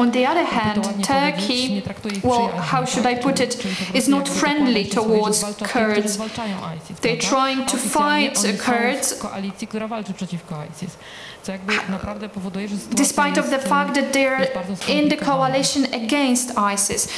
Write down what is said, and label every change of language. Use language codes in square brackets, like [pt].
[en] On the other hand, Turkey, well, how should I put it, is not friendly towards Kurds. They're trying to fight Kurds, [pl] koalicji, która walczy przeciwko ISIS. Co jakby naprawdę powoduje, że [en] despite of the fact that they are in the coalition against ISIS.